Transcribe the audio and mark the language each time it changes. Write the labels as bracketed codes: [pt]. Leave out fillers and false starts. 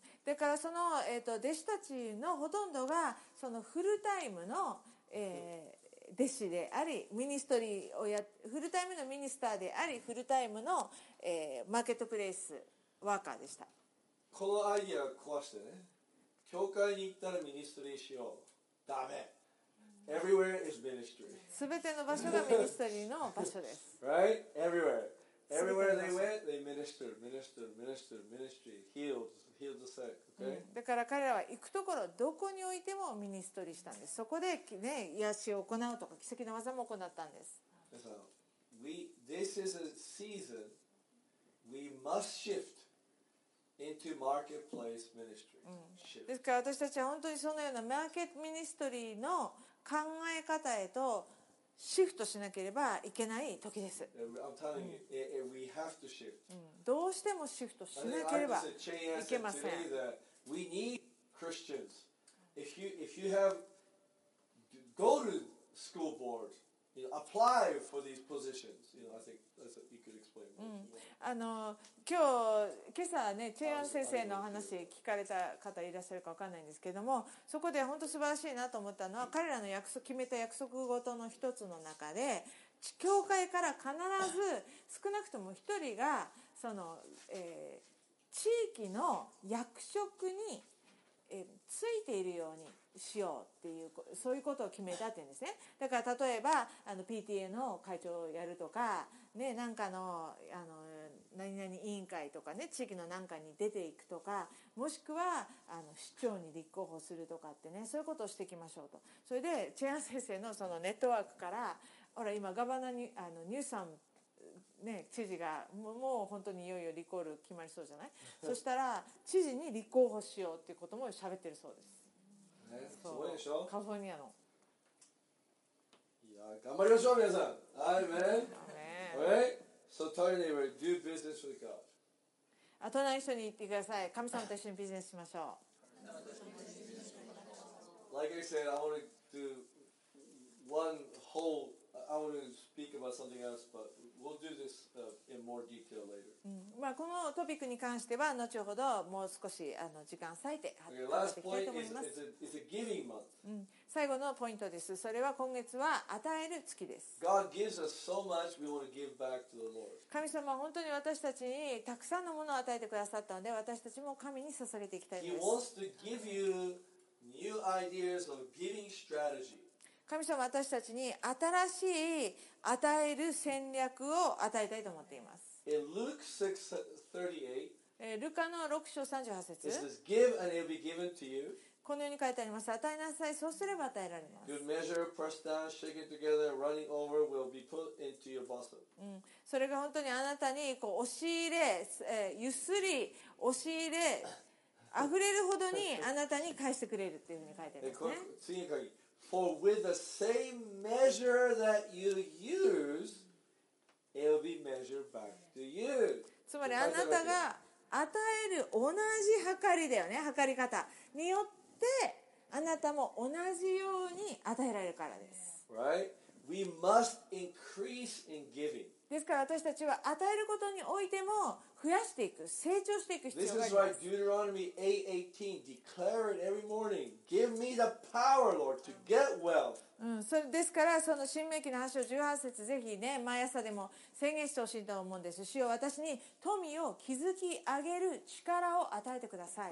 [ja] だからその、弟子たちのほとんどがそのフルタイムの、弟子でありミニストリーをやフルタイムのミニスターでありフルタイムの、マーケットプレイスワーカーでした。このアイディアを壊してね、教会に行ったらミニストリーしよう、ダメ。 [en] Everywhere is ministry. [ja] 全ての場所がミニストリーの場所です。 [en] Right? Everywhere. Everywhere they went, they ministered, ministered, ministered, ministry, healed, healed the sick. Okay? [ja] だから彼らは行くところどこに置いてもミニストリーしたんです。そこで、ね、癒しを行うとか奇跡の技も行ったんです。 [en] So, this is a season we must shiftInto marketplace ministry. [ja] ですから私たちは本当にそのようなマーケットミニストリーの考え方へとシフトしなければいけない時です。 [en] I'm telling you, we have to shift. [ja] どうしてもシフトしなければいけません。 [en] I just said today that we need Christians. If you have go to school board, you know, apply for these positions, you know, I think that's what you could explain. [ja] 今日今朝ねチェアン先生の話聞かれた方いらっしゃるか分かんないんですけども、そこで本当素晴らしいなと思ったのは、彼らの約束決めた約束ごとの一つの中で、教会から必ず少なくとも一人がその、地域の役職に、ついているようにしようっていう、そういうことを決めたって言うんですね。だから例えばPTA の会長をやるとか、ね、なんか の何々委員会とかね、地域の何かに出ていくとか、もしくは市長に立候補するとかってね、そういうことをしていきましょうと。それでチェアン先生 の, そのネットワークから、ほら今ガバナにニューサム、ね、知事がもう本当にいよいよリコール決まりそうじゃない。そしたら知事に立候補しようっていうことも喋ってるそうです。すごいでしょ、カフォニアの。いや頑張りましょう皆さん。アーメン。アーメン。 [en] Alright? So tell your neighbor, do business with God. [ja] 隣の人に言ってください、神様と一緒にビジネスしましょう。 [en] Like I said, I want to do one whole, I want to speak about something else, but we'll do this in more detail later. [ja] まあこのトピックに関しては後ほどもう少し時間割いて発表していきたいと思います。 [en] is a giving month. [ja] 最後のポイントです。それは今月は与える月です。 [en] God gives us so much, we want to give back to the Lord. [ja] 神様は本当に私たちにたくさんのものを与えてくださったので、私たちも神に捧げていきたいです。 [en] He wants to give you new ideas of giving strategy. [ja] 神様は私たちに新しい与える戦略を与えたいと思っています。ルカの6章38節。 [en] It says, "Give and it'll be given to you." [ja] このように書いてあります。与えなさい、そうすれば与えられます。 [en] Good measure, pressed down, shaken together, running over, will be put into your bosom. [ja] それが本当にあなたにこう押し入れ、ゆすり、押し入れ、溢れるほどにあなたに返してくれるっていうふうに書いてありますね。次の鍵。 [en] For with the same measure that you use, it'll be measured back to you. [ja] つまりあなたが与える同じ測りだよね、測り方によってあなたも同じように与えられるからです。 [en] Right? We must increase in giving. [ja] ですから私たちは与えることにおいても増やしていく、成長していく必要があります。 [en] This is why Deuteronomy 8:18 declare it every morning. Give me the power, Lord, to get wealth. [ja] それですからその申命記の8章18節ぜひね毎朝でも宣言してほしいと思うんです。主よ、私に富を築き上げる力を与えてください。